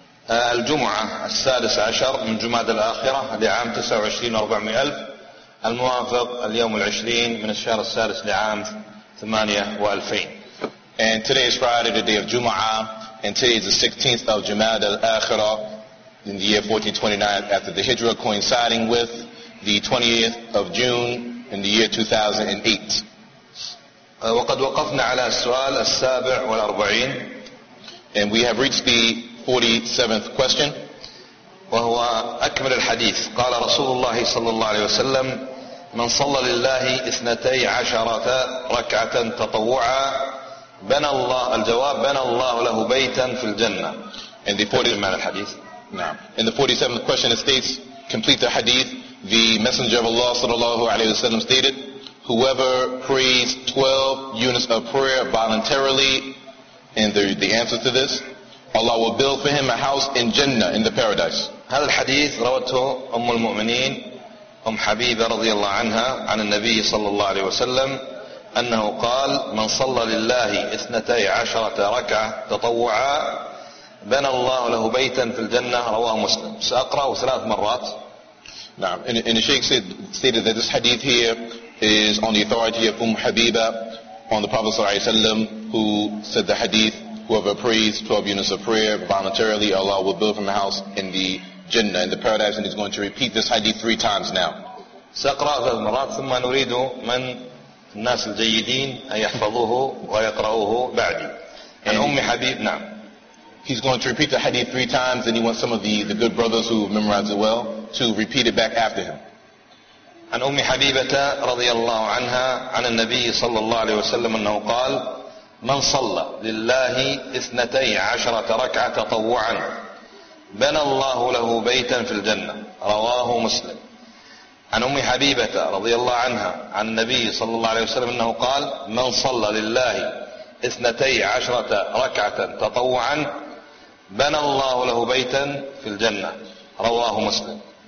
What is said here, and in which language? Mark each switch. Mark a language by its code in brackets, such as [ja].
[ar] الجمعة السادس عشر من جماد الآخرة لعام 29400 الموافق اليوم العشرين من الشهر السادس لعام 28000. [en] And today is Friday, the day of Jumu'ah, and today is the 16th of Jumad al-Akhira in the year 1429 after the Hijra, coinciding with the 20th of June in the year 2008. [ar] وقد وقفنا على السؤال السابع والأربعين. [en] And we have reached the 47th question. [ar] وهو أكمل الحديث. قال رسول الله صلى الله عليه وسلم: من صلى لله 12 ركعة تطوعا بنى الله الجواب بنى الله له بيتا في الجنة. [en] In the 47th [ar] الحديث. نعم. [en] In the 47th question it states, complete the hadith. The Messenger of Allah [ar] صلى الله عليه وسلم [en] stated, whoever prays 12 units of prayer voluntarily, and the answer to this, Allah will build for him a house in Jannah, in the paradise. [ar] هذا الحديث روته أم المؤمنين أم حبيبة رضي الله عنها عن النبي صلى الله عليه وسلم أنه قال من صلى لله 12 ركعة تطوعا بنى الله له بيتا في الجنة رواه مسلم. سأقرأه ثلاث مرات. نعم. [en] And the Sheikh stated that this hadith here is on the authority of أم حبيبة, on the Prophet [ar] صلى الله عليه وسلم, [en] who said the hadith, whoever prays 12 units of prayer voluntarily, Allah will build him a house in the Jannah, in the paradise, and he's going to repeat this hadith three times now. [ar] سأقرأ ثلاث مرات ثم نريد من الناس الجيدين أن يحفظوه ويقرأوه بعدي. عن أم حبيب. نعم. [en] He's going to repeat the hadith three times, and he wants some of the good brothers who memorize it well to repeat it back after him. [ar] عن أم حبيبة رضي الله عنها عن النبي صلى الله عليه وسلم أنه قال من صلى لله 12 ركعة تطوعا بنى الله له بيتا في الجنة رواه مسلم. عن أم حبيبة رضي الله عنها عن النبي صلى الله عليه وسلم أنه قال من صلى لله 12 ركعة تطوعا بنى الله له بيتا في الجنة رواه مسلم.